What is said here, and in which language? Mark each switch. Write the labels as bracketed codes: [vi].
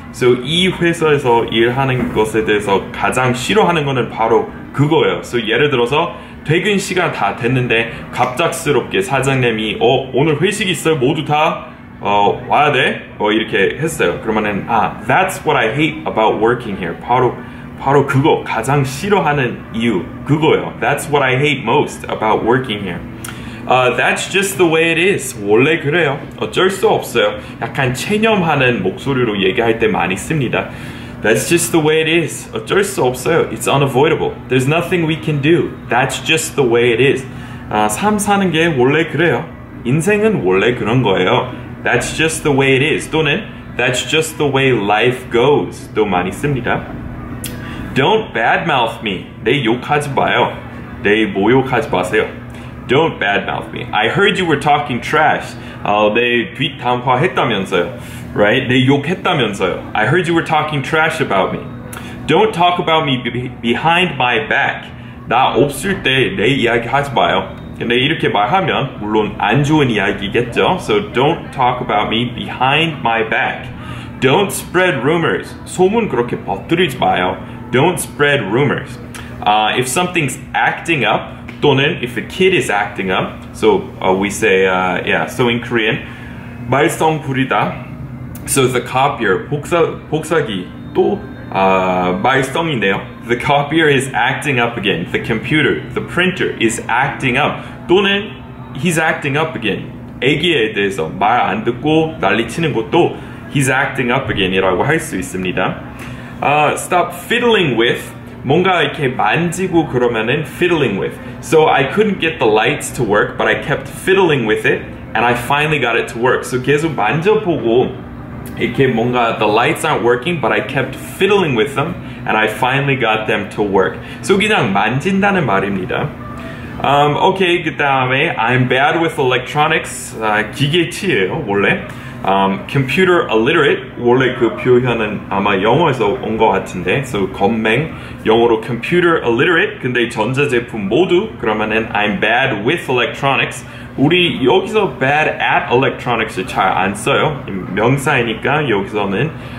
[ko] So 이 회사에서 일하는 것에 대해서 가장 싫어하는 거는 바로 그거예요. So 예를 들어서 퇴근 시간 다 됐는데 갑작스럽게 사장님이 오늘 회식 있어요? 모두 다 와야 돼? 이렇게 했어요. [en] 그러면은 아, That's what I hate about working here. [ko] 바로 그거 가장 싫어하는 이유 그거예요. [en] That's what I hate most about working here. That's just the way it is. [ko] 원래 그래요. 어쩔 수 없어요. 약간 체념하는 목소리로 얘기할 때 많이 씁니다. [en] That's just the way it is. [ko] 어쩔 수 없어요. [en] It's unavoidable. There's nothing we can do. That's just the way it is. [ko] 삶 사는 게 원래 그래요. 인생은 원래 그런 거예요. [en] That's just the way it is. 또는 That's just the way life goes. 또 많이 씁니다. Don't badmouth me. [ko] 내 욕하지 마요. 내 모욕하지 마세요. [en] Don't badmouth me. I heard you were talking trash. [ko] 내 뒷담화했다면서요. [en] Right? [ko] 내 욕했다면서요. [en] I heard you were talking trash about me. Don't talk about me behind my back. [ko] 나 없을 때 내 이야기 하지 마요. 근데 이렇게 말하면 물론 안 좋은 이야기겠죠. [en] So don't talk about me behind my back. Don't spread rumors. [ko] 소문 그렇게 퍼뜨리지 마요. [en] Don't spread rumors. If something's acting up, 또는 if a kid is acting up, so we say, yeah, so in Korean, [ko] 말썽 부리다, [en] so the copier, [ko] 복사기, 또 말썽인데요. [en] The copier is acting up again, the computer, the printer is acting up, 또는 he's acting up again, [ko] 애기에 대해서 말 안 듣고 난리 치는 것도 [en] he's acting up again이라고 할 수 있습니다. Stop fiddling with, [ko] 뭔가 이렇게 만지고 그러면은 [en] fiddling with. So I couldn't get the lights to work, but I kept fiddling with it, and I finally got it to work. So [ko] 계속 만져보고 이렇게 뭔가 [en] the lights aren't working, but I kept fiddling with them, and I finally got them to work. [ko] So 그냥 만진다는 말입니다. [en] Okay, 그다음에 I'm bad with electronics. [ko] 기계치예요, 원래. Computer illiterate, 원래 그 표현은 아마 영어에서 온 것 같은데 so 건맹, 영어로 computer illiterate 근데 전자제품 모두 그러면은 [en] I'm bad with electronics [ko] 우리 여기서 [en] bad at electronics [ko] 잘 안 써요 명사이니까 여기서는